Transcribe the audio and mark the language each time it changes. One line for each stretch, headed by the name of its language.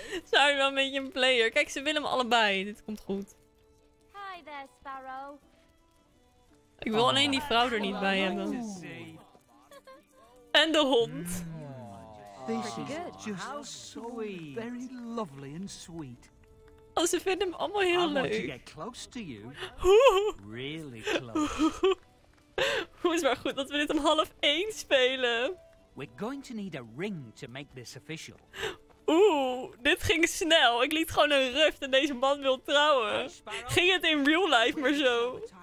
Dutch: Sorry, wel een beetje een player. Kijk, ze willen hem allebei. Dit komt goed.
English: Hi there, Sparrow.
Dutch: Ik wil alleen die vrouw er niet bij hebben. En de hond.
English: This is just so very lovely and sweet.
Dutch: Oh, ze vinden hem allemaal heel leuk.
English: I want to get close to you. Really close.
Dutch: Hoe is maar goed dat we dit om 12:30 spelen.
English: We're going to need a ring to make this official.
Dutch: Oeh, dit ging snel. Ik liet gewoon een ruft en deze man wil trouwen. Ging het
English: in real life
Dutch: maar zo?